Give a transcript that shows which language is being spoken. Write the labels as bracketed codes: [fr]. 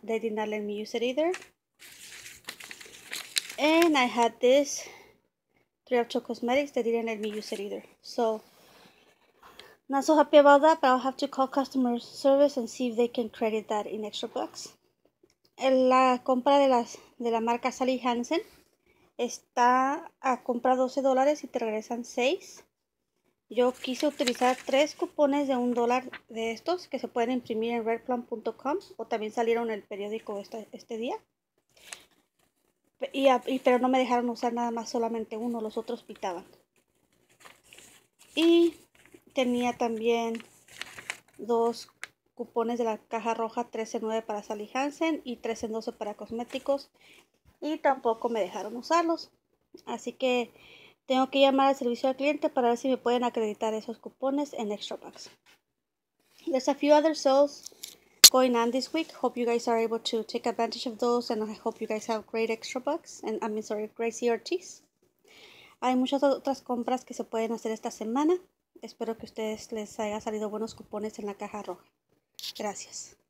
[en] They did not let me use it either. And I had this 3 of 2 cosmetics. They didn't let me use it either. So, not so happy about that, but I'll have to call customer service and see if they can credit that in extra bucks. [es] La compra de la marca Sally Hansen está a compra $12 y te regresan 6. Yo quise utilizar 3 cupones de $1 de estos que se pueden imprimir en redplum.com o también salieron en el periódico este día. Pero no me dejaron usar nada más, solamente uno, los otros pitaban. Y tenía también 2 cupones de la caja roja 3 en 9 para Sally Hansen y 3 en 12 para cosméticos. Y tampoco me dejaron usarlos. Así que tengo que llamar al servicio al cliente para ver si me pueden acreditar esos cupones en extra bucks. [en] There's a few other sales going on this week. Hope you guys are able to take advantage of those. And I hope you guys have great extra bucks. Great CRTs. [es] Hay muchas otras compras que se pueden hacer esta semana. Espero que a ustedes les haya salido buenos cupones en la caja roja. Gracias.